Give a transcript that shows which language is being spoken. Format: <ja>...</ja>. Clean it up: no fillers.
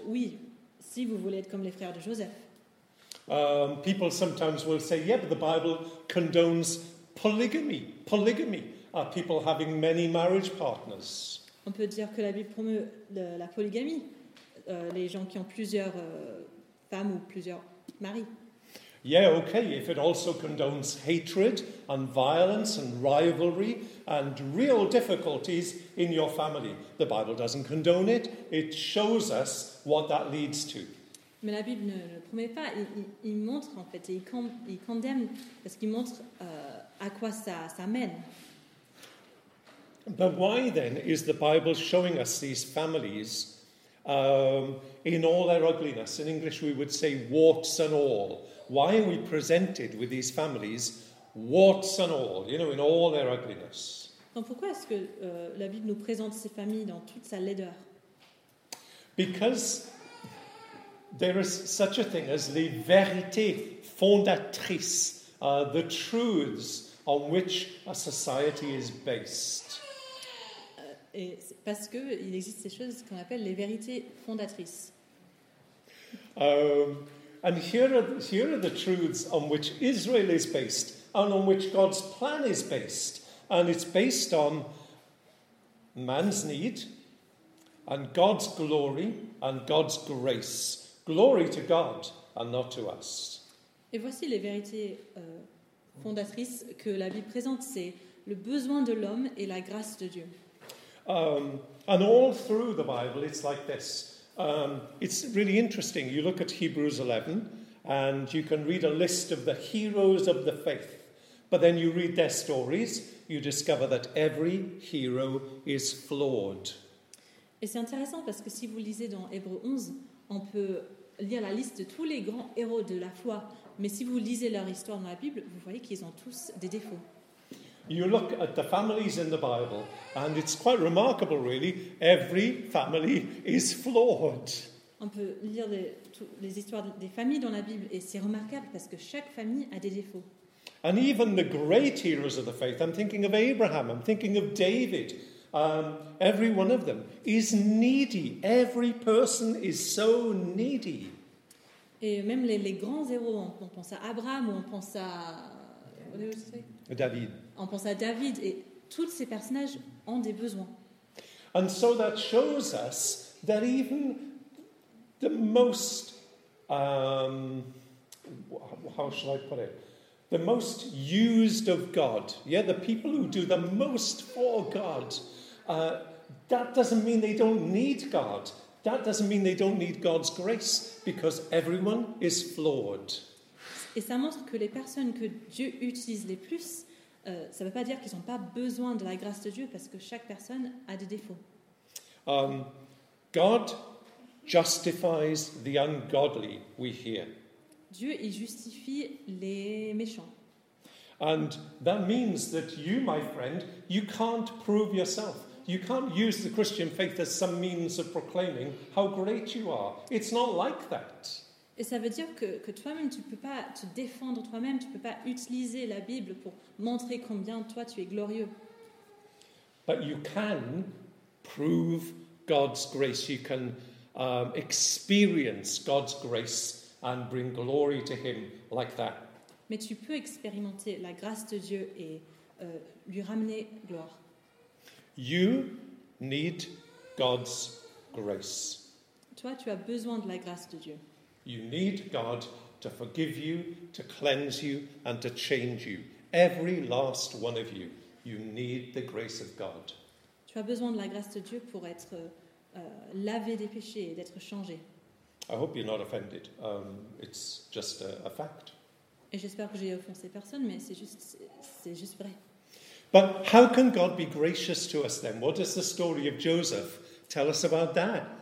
<fr>Oui, si vous voulez être comme les frères de Joseph.</fr> <en>People sometimes will say, yeah, but the Bible condones polygamy. Polygamy are people having many marriage partners.</en> <fr>On peut dire que la Bible promeut la polygamie, les gens qui ont plusieurs femmes ou plusieurs maris.</fr> <en>Yeah, okay, if it also condones hatred and violence and rivalry and real difficulties in your family. The Bible doesn't condone it. It shows us what that leads to.</en> <fr>Mais la Bible ne le promet pas. Il montre, en fait, et il condamne, parce qu'il montre à quoi ça mène.</fr> <en>But why, then, is the Bible showing us these families in all their ugliness? In English, we would say warts and all. Why are we presented with these families, warts and all, you know, in all their ugliness?</en> <fr>Donc pourquoi est-ce que la Bible nous présente ces familles dans toute sa laideur?</fr> <en>Because there is such a thing as</en> <fr>les vérités fondatrices,</fr> <en>the truths on which a society is based.</en> <fr>Et parce qu'il existe ces choses qu'on appelle les vérités fondatrices.</fr> <en>And here are the truths on which Israel is based, and on which God's plan is based. And it's based on man's need, and God's glory, and God's grace. Glory to God, and not to us.</en> <fr>Et voici les vérités fondatrices que la Bible présente, c'est le besoin de l'homme et la grâce de Dieu.</fr> <en>And all through the Bible, it's like this. It's really interesting. You look at Hebrews 11, and you can read a list of the heroes of the faith. But then you read their stories, you discover that every hero is flawed.</en> <fr>Et c'est intéressant parce que si vous lisez dans Hébreux 11, on peut lire la liste de tous les grands héros de la foi. Mais si vous lisez leur histoire dans la Bible, vous voyez qu'ils ont tous des défauts.</fr> <en>You look at the families in the Bible, and it's quite remarkable, really. Every family is flawed.</en> <fr>On peut lire les histoires des familles dans la Bible, et c'est remarquable parce que chaque famille a des défauts.</fr> <en>And even the great heroes of the faith, I'm thinking of Abraham, I'm thinking of David, every one of them is needy. Every person is so needy.</en> <fr>Et même les grands héros, on pense à Abraham ou on pense à... David. On pense à David et tous ces personnages ont des besoins.</fr> <en>And so that shows us that even the most, how shall I put it? The most used of God. Yeah, the people who do the most for God. That doesn't mean they don't need God. That doesn't mean they don't need God's grace, because everyone is flawed.</en> <fr>Et ça montre que les personnes que Dieu utilise les plus, ça ne veut pas dire qu'ils n'ont pas besoin de la grâce de Dieu, parce que chaque personne a des défauts.</fr> <en>God justifies the ungodly, we hear.</en> <fr>Dieu, il justifie les méchants.</fr> <en>And that means that you, my friend, you can't prove yourself. You can't use the Christian faith as some means of proclaiming how great you are. It's not like that.</en> <fr>Et ça veut dire que toi-même, tu ne peux pas te défendre toi-même, tu ne peux pas utiliser la Bible pour montrer combien toi, tu es glorieux.</fr> <en>But you can prove God's grace. You can experience God's grace and bring glory to him like that.</en> <fr>Mais tu peux expérimenter la grâce de Dieu et lui ramener gloire.</fr> <en>You need God's grace.</en> <fr>Toi, tu as besoin de la grâce de Dieu.</fr> <en>You need God to forgive you, to cleanse you, and to change you. Every last one of you, you need the grace of God.</en> <fr>Tu as besoin de la grâce de Dieu pour être lavé des péchés et d'être changé.</fr> <en>I hope you're not offended. It's just a fact.</en> <fr>Et j'espère que j'ai offensé personne, mais c'est juste vrai.</fr> <en>But how can God be gracious to us then? What does the story of Joseph tell us about that?</en>